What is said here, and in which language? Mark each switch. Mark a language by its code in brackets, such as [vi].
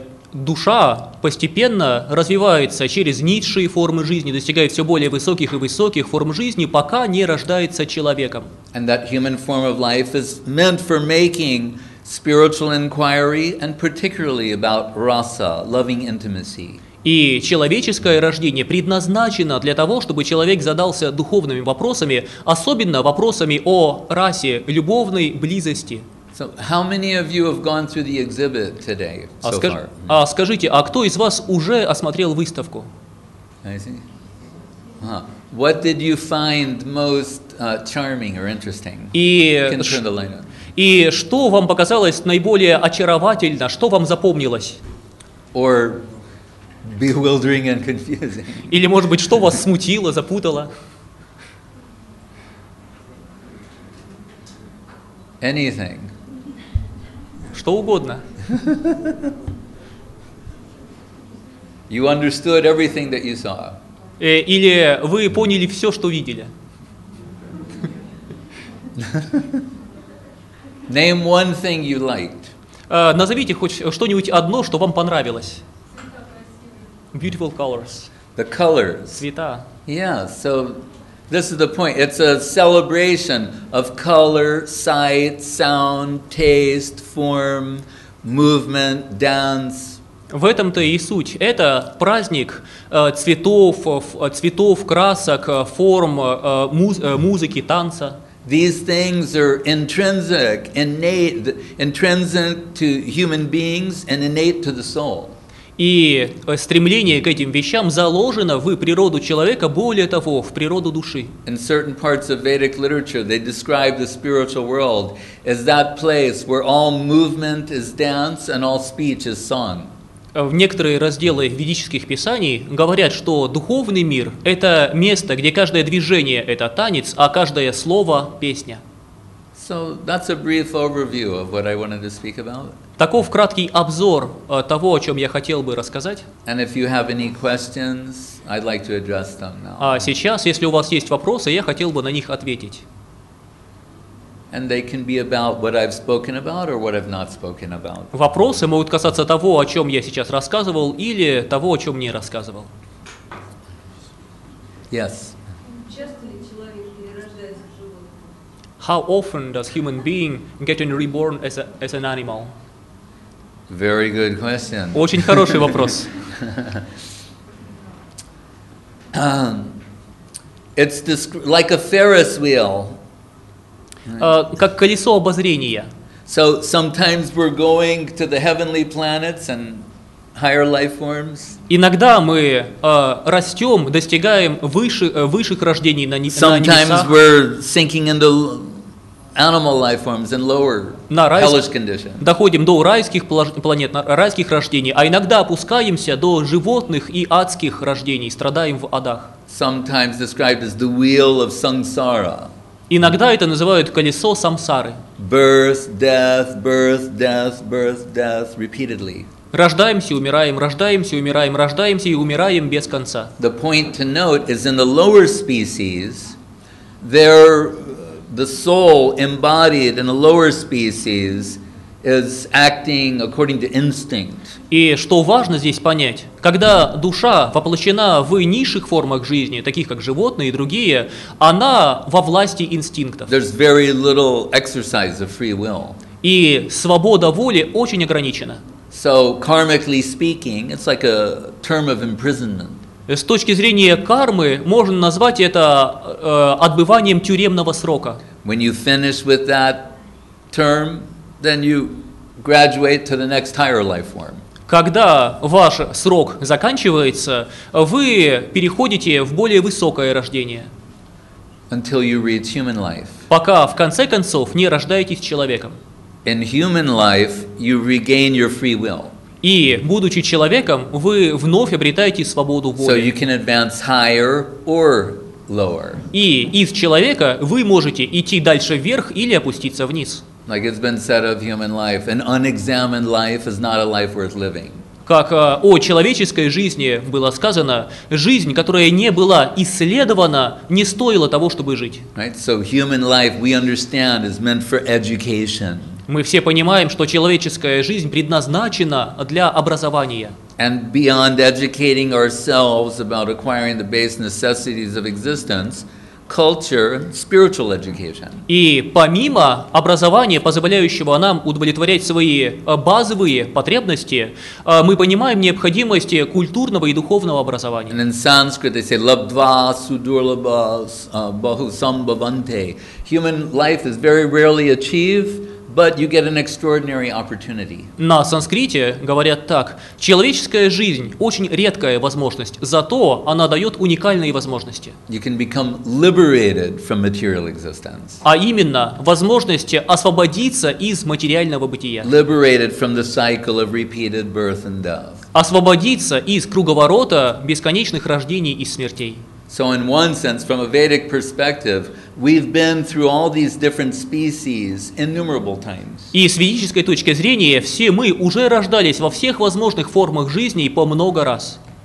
[ru] Душа постепенно развивается через низшие формы жизни, достигает все более высоких и высоких форм жизни, пока не рождается человеком. [en] And that human form of life is meant for making spiritual inquiry and particularly about rasa, loving intimacy. [ru] И человеческое рождение предназначено для того, чтобы человек задался духовными вопросами, особенно вопросами о расе, любовной близости. [en] So, how many of you have gone through the exhibit today so far? [ru] Скажите, а кто из вас уже осмотрел выставку? [en] I see. What did you find most charming or interesting? Can you turn the light on? [ru] И что вам показалось наиболее очаровательно? Что вам запомнилось? [en] Or bewildering and confusing? [ru] Или, может быть, что вас смутило, запутало? [en] Anything. [ru] Что угодно. [en] You understood everything that you saw. [ru] Или вы поняли все, что видели. [en] Name one thing you liked. [ru] Назовите хоть что-нибудь одно, что вам понравилось. [en] Beautiful colors. The colors. [ru] Цвета. [en] Yeah, so this is the point. It's a celebration of color, sight, sound, taste, form, movement, dance. [ru] В этом-то и суть. Это праздник цветов, цветов, красок, форм, музыки, танца. [en] These things are intrinsic, innate, intrinsic to human beings and innate to the soul. [ru] И стремление к этим вещам заложено в природу человека, более того, в природу души. [en] In certain parts of Vedic literature, they describe the spiritual world as that place where all movement is dance and all speech is song. [ru] В некоторые разделы ведических писаний говорят, что духовный мир – это место, где каждое движение – это танец, а каждое слово – песня. [en] So that's a brief overview of what I wanted to speak about. [ru] Таков краткий обзор того, о чем я хотел бы рассказать. [en] And if you have any questions, I'd like to address them now. [ru] А сейчас, если у вас есть вопросы, я хотел бы на них ответить. [en] And they can be about what I've spoken about or what I've not spoken about. [ru] Вопросы могут касаться того, о чем я сейчас рассказывал, или того, о чем не рассказывал. [en] Yes. [ru] Часто ли человек перерождается в животное? [en] How often does human being getting reborn as an animal? Very good question. [ru] Очень хороший вопрос. [en] It's like a Ferris wheel. [ru] Как колесо обозрения. [en] So sometimes we're going to the heavenly planets and higher life forms. [ru] Иногда мы растем, достигаем высших рождений на небесах. [en] Sometimes we're sinking into animal life forms and lower hellish condition. [ru] Доходим до райских планет, райских рождений, а иногда опускаемся до животных и адских рождений, страдаем в адах. [en] Sometimes described as the wheel of samsara. [ru] Иногда это называют колесо самсары. [en] Birth, death, birth, death, birth, death, repeatedly. [ru] Рождаемся, умираем, рождаемся, умираем, рождаемся и умираем без конца. [en] The point to note is in the lower species, there the soul embodied in the lower species is acting according to instinct. [ru] И что важно здесь понять, когда душа воплощена в низших формах жизни, таких как животные и другие, она во власти инстинктов. [en] There's very little exercise of free will. [ru] И свобода воли очень ограничена. [en] So, karmically speaking, it's like a term of imprisonment. [ru] С точки зрения кармы, можно назвать это отбыванием тюремного срока. [en] When you finish with that term, then you graduate to the next higher life form. [ru] Когда ваш срок заканчивается, вы переходите в более высокое рождение. [en] Until you reach human life. [ru] Пока в конце концов не рождаетесь человеком. [en] In human life, you regain your free will. [ru] И будучи человеком, вы вновь обретаете свободу воли. [en] So you can advance higher or lower. [ru] И из человека вы можете идти дальше вверх или опуститься вниз. [en] Like it's been said of human life, an unexamined life is not a life worth living. [ru] Как о человеческой жизни было сказано, жизнь, которая не была исследована, не стоила того, чтобы жить. [en] Right? So human life, we understand, is meant for education. [ru] Мы все понимаем, что человеческая жизнь предназначена для образования. [en] And beyond educating ourselves about acquiring the base necessities of existence, culture, spiritual education. [ru] И помимо образования, позволяющего нам удовлетворять свои базовые потребности, мы понимаем необходимость культурного и духовного образования. [en] And in Sanskrit they say [sa] labdva sudurlabha bahu sambhavante. [en] Human life is very rarely achieved, but you get an extraordinary opportunity. [ru] На санскрите говорят так: человеческая жизнь очень редкая возможность, зато она дает уникальные возможности. [en] You can become liberated from material existence. [ru] А именно возможность освободиться из материального бытия. [en] Liberated from the cycle of repeated birth and death. [ru] Освободиться из круговорота бесконечных рождений и смертей. [en] So in one sense, from a Vedic perspective, we've been through all these different species innumerable times. [ru] И с ведической точки зрения, все мы уже рождались во всех возможных формах жизни по много раз.